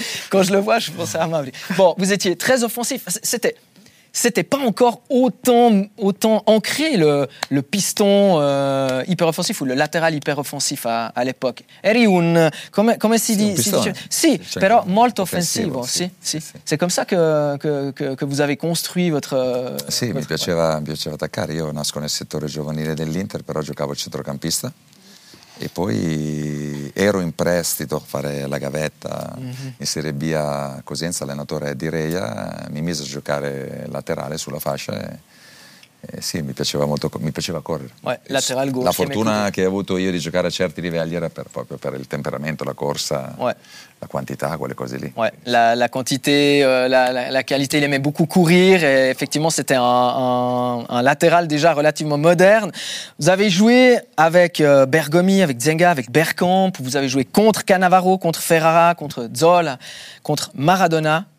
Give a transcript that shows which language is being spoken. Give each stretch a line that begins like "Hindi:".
French: quand je le vois, je pense à Amaury. Bon, vous étiez très offensif, c'était pas encore autant ancré le piston hyper offensif ou le latéral hyper offensif à l'époque.
Italian: Eri un
French: comme si dit
Italian: si,
French: piston,
Italian: si,
French: hein.
Italian: Si però molto offensivo, offensivo si, si,
French: si. Si c'est comme ça que vous avez construit votre
Italian: sì
French: votre...
Italian: mi piaceva attaccare. Io nasco nel settore giovanile dell'Inter, però giocavo centrocampista E poi ero in prestito a fare la gavetta in Serie B a Cosenza, allenatore di Reia, mi mise a giocare laterale sulla fascia e sì, mi piaceva molto, mi piaceva correre. La fortuna che ho avuto io di giocare a certi livelli era per, proprio per il temperamento, la corsa, la quantità, quelle cose lì. La quantità, la qualità,
French: il aimait beaucoup courir, et effectivement c'était un latéral déjà relativement moderne. Vous avez joué avec Bergomi, avec Dzenga, avec Bergkamp, vous avez joué contre Cannavaro, contre Ferrara, contre Zola, contre Maradona.